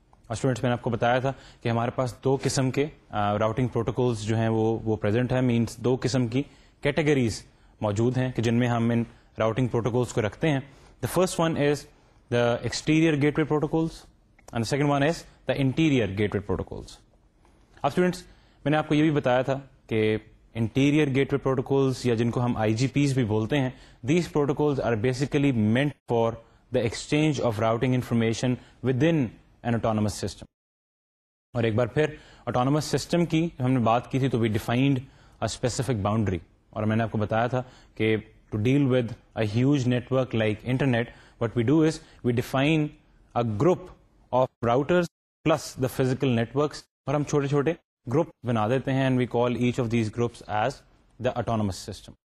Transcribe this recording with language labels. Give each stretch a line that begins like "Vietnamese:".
Urdu: اور اسٹوڈنٹس, میں نے آپ کو بتایا تھا کہ ہمارے پاس دو قسم کے routing protocols جو ہیں وہ present ہیں, means دو قسم کی categories موجود ہیں کہ جن میں ہم ان راؤٹنگ پروٹوکولس کو رکھتے ہیں.
English: The first one is the exterior gateway protocols, and second one is the interior gateway protocols.
Urdu: اب اسٹوڈینٹس, میں نے آپ کو یہ بھی بتایا تھا کہ انٹیریئر گیٹ وے پروٹوکولس, یا جن کو ہم آئی جی پیز بھی بولتے ہیں,
English: These protocols are basically meant for the exchange of routing information within an autonomous system.
Urdu: اور ایک بار پھر اٹانومس سسٹم کی ہم نے بات کی تھی تو
English: we defined a specific boundary,
Urdu: اور میں نے آپ کو بتایا تھا کہ
English: to deal with a huge network like internet, what we do is we define a group of routers plus the physical networks,
Urdu: اور ہم چھوٹے چھوٹے گروپ بنا دیتے ہیں,
English: And we call each of these groups as the autonomous system.